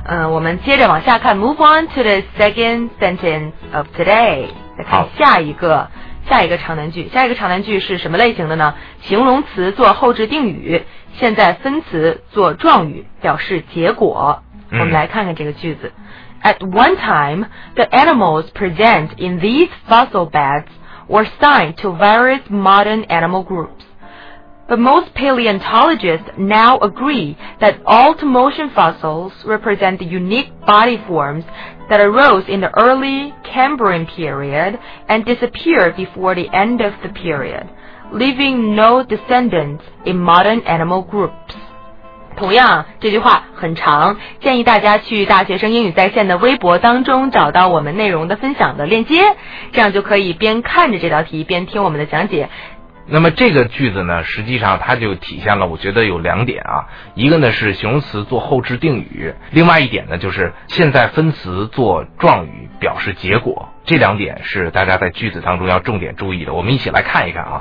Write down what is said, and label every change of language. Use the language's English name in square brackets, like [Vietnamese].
[Chinese] 我们接着往下看 ， [English] move on to the second sentence of today， [Chinese] 再看下一个。下一个长难句，下一个长难句是什么类型的呢？形容词做后置定语，现在分词做状语，表示结果。我们来看看这个句子。 [English] At one time, the animals present in these fossil beds were assigned to various modern animal groups. But most paleontologists now agree that all Tmotian fossils represent the unique body formsthat arose in the early Cambrian period and disappeared before the end of the period, leaving no descendants in modern animal groups. [Chinese] 同样，这句话很长，建议大家去大学生英语在线的微博当中找到我们内容的分享的链接，这样就可以边看着这道题边听我们的讲解。那么这个句子呢，实际上它就体现了我觉得有两点啊，一个呢是形容词做后置定语，另外一点呢就是现在分词做状语表示结果，这两点是大家在句子当中要重点注意的，我们一起来看一看啊。